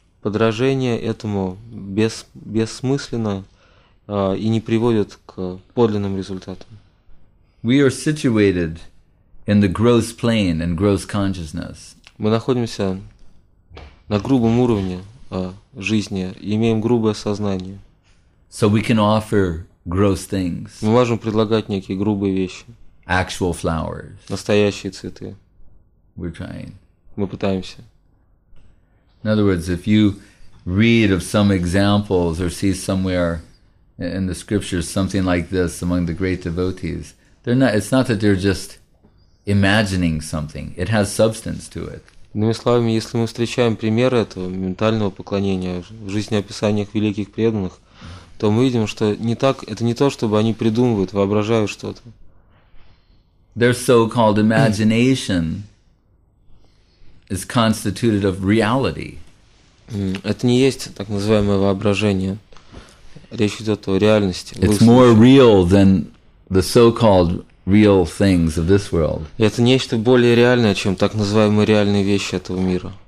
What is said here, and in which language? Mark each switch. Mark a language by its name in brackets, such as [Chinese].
[Russian] Подражение этому бессмысленно и не приводит к подлинным результатам. [English] We are situated in the gross plane and gross consciousness. [Russian] Мы находимся на грубом уровне жизни, имеем грубое сознание. [English] So we can offer gross things. [Russian] Мы можем предлагать некие грубые вещи. [English] Actual flowers. [Russian] Настоящие цветы. [English] We're trying. [Russian] Мы пытаемся. [English] In other words, if you read of some examples or see somewhere in the scriptures something like this among the great devotees, they're not, it's not that they're just imagining something. It has substance to it. [Russian] Иными словами, если мы встречаем примеры этого ментального поклонения в жизнеописаниях великих преданных, то мы видим, что не так, это не то, чтобы они придумывают, воображают что-то. [English] Their so-called imagination is constituted of reality. [Russian] Это не есть так называемое воображение. Речь идет о реальности. [English] It's more real than the so-called real things of this world. [Russian] Это нечто более реальное, чем так называемые реальные вещи этого мира.